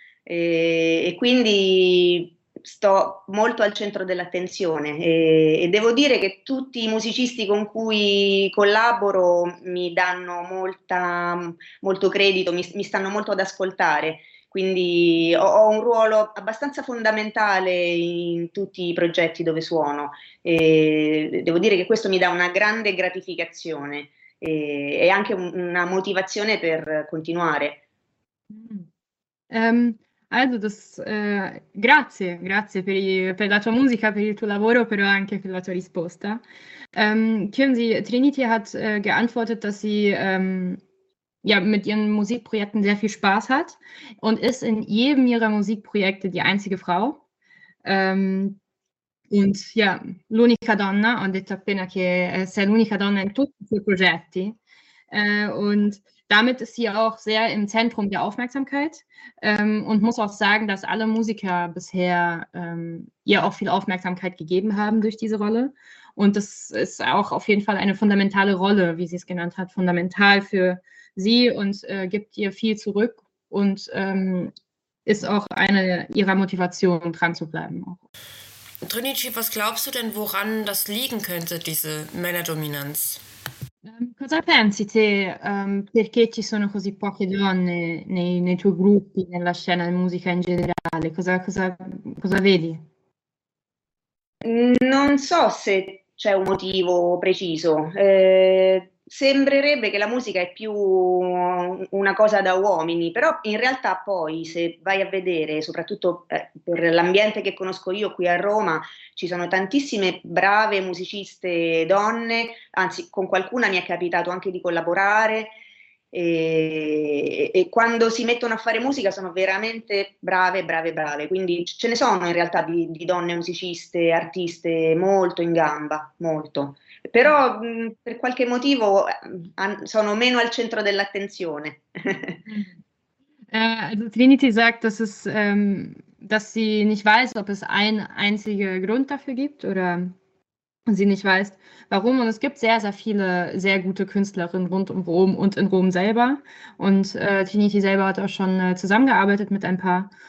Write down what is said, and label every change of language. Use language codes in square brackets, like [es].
[it] e quindi sto molto al centro dell'attenzione e devo dire che tutti i musicisti con cui collaboro mi danno molto credito, mi stanno molto ad ascoltare, quindi ho un ruolo abbastanza fondamentale in tutti i progetti dove suono e devo dire che questo mi dà una grande gratificazione e anche una motivazione per continuare. Grazie per la tua musica, per il tuo lavoro, però anche per la tua risposta. [de] Trinity hat geantwortet, dass sie mit ihren Musikprojekten sehr viel Spaß hat und ist in jedem ihrer Musikprojekte die einzige Frau. [it] L'unica donna, ho detto appena che sei l'unica donna in tutti i suoi progetti. [de] Und damit ist sie auch sehr im Zentrum der Aufmerksamkeit und muss auch sagen, dass alle Musiker bisher ihr auch viel Aufmerksamkeit gegeben haben durch diese Rolle. Und das ist auch auf jeden Fall eine fundamentale Rolle, wie sie es genannt hat, fundamental für sie und gibt ihr viel zurück und ist auch eine ihrer Motivationen, dran zu bleiben. Trinity, was glaubst du denn, woran das liegen könnte, diese Männerdominanz? [it] Cosa pensi te? Perché ci sono così poche donne nei tuoi gruppi, nella scena di musica in generale? Cosa vedi? Non so se c'è un motivo preciso. Sembrerebbe che la musica è più una cosa da uomini, però in realtà poi se vai a vedere, soprattutto per l'ambiente che conosco io qui a Roma, ci sono tantissime brave musiciste donne, anzi con qualcuna mi è capitato anche di collaborare e quando si mettono a fare musica sono veramente brave, brave, brave, quindi ce ne sono in realtà di donne musiciste, artiste molto in gamba, molto. Però per qualche motivo sono meno al centro dell'attenzione. [de] Trinity sagt, dass sie nicht weiß, ob es einen einzigen Grund dafür gibt oder sie nicht weiß, warum. Und es gibt sehr, sehr viele sehr gute Künstlerinnen rund um Rom und in Rom selber. Und Trinity selber hat auch schon zusammengearbeitet mit ein paar.